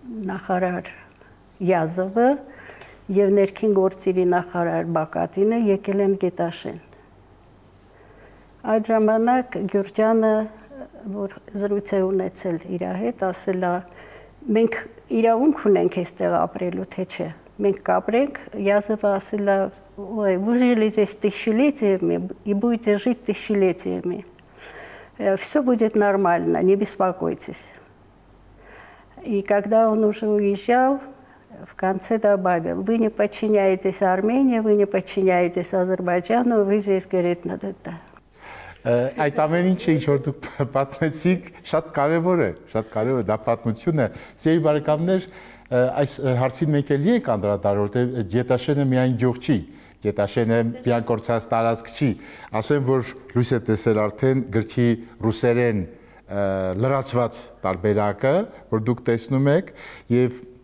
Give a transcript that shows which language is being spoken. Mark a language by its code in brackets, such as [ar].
[hy] նախարար Յազովը և ներքին գործերի նախարար Բակատինը եկել են Գետաշեն։ Այդ ժամանակ Գյուրջյանը, որ զրույց է ունեցել իր հետ, ասել է, մենք իրավունք ունենք այստեղ ապրելու, թե չէ, մենք կապրենք, Յազովը ասել է, [ru] ой, вы жили здесь тысячелетиями и будете жить тысячелетиями. Все будет нормально, не беспокойтесь. И когда он уже уезжал, в конце добавил, вы не подчиняетесь Армении, вы не подчиняетесь Азербайджану, вы здесь, говорит, надо это. [hy] Այդ ամեն ինչ է, ինչ-որ դուք պատմեցիք, շատ կարևոր է, շատ կարևոր է, դա պատմություն է։ Սիրելի բարեկամներ, այս հարցին մենք էլի ենք անդրադարձել, որ Գետաշենը միայն գյուղ չի, Գետաշենը միանգործած տարածք չի, ասեմ, որ լույս է տեսել արդեն գրքի ռուսերեն լրացված տարբերակը, որ դուք տեսնում եք, և